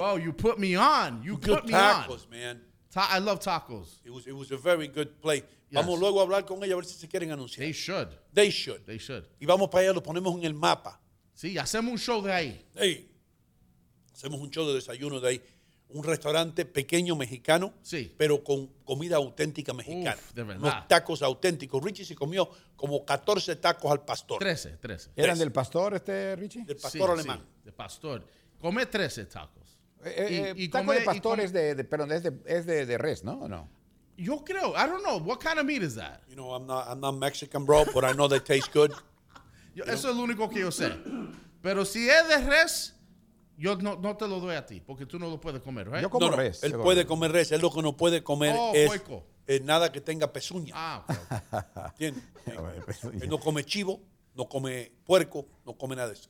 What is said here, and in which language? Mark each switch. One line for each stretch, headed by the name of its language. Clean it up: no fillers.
English: Oh, you put me on. You put me on. Good tacos, man. I love tacos. It was a very good place. Yes.
Spanish: Vamos luego a hablar con ellos a ver si se quieren anunciar.
English: They should.
Spanish: Y vamos para allá, lo ponemos en el mapa. Sí, hacemos un show de ahí. Hey, hacemos un show de desayuno de ahí. Un restaurante pequeño mexicano, sí, pero con comida auténtica mexicana. Uf, de verdad. Unos tacos auténticos. Richie se comió como 14 tacos al pastor. 13. ¿Eran del pastor este, Richie? Del pastor, sí, alemán. Sí, del pastor. Comé 13 tacos. Taco de pastor es de res, ¿no? ¿O no? Yo creo.
English: I don't know. What kind of meat is that? You know, I'm not Mexican, bro, but I know they taste good.
Spanish: Eso es lo único que yo sé. Pero si es de res, yo no te lo doy a ti, porque tú no lo puedes comer, ¿verdad? Yo como res. Él puede comer res. Él lo que no puede comer es nada que tenga pezuña. Ah, ok. ¿Entiendes? Él no come chivo, no come puerco, no come nada de eso.